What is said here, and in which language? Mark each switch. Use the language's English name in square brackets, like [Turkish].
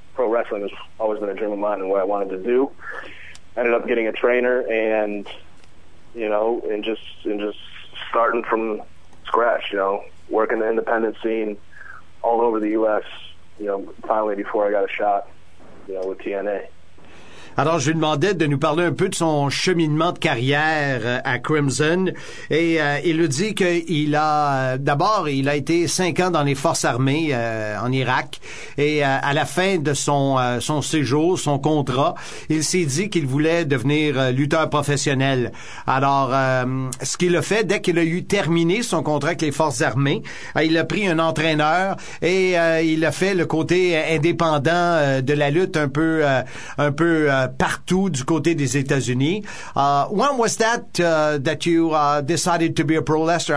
[English] Pro wrestling has always been a dream of mine and what I wanted to do. Ended up getting a trainer and, you know, and just starting from scratch, you know, working the independent scene all over the U.S., you know, finally before I got a shot, you know, with TNA. [French] Alors, je lui demandais de nous parler un peu de son cheminement de carrière à Crimson. Et il nous dit qu'il a... D'abord, il a été 5 ans dans les forces armées en Irak. Et à la fin de son séjour, son contrat, il s'est dit qu'il voulait devenir lutteur professionnel. Alors, ce qu'il a fait, dès qu'il a eu terminé son contrat avec les forces armées, il a pris un entraîneur et il a fait le côté indépendant de la lutte un peu partout du côté des États-Unis. [English] When was that that you decided to be a pro wrestler?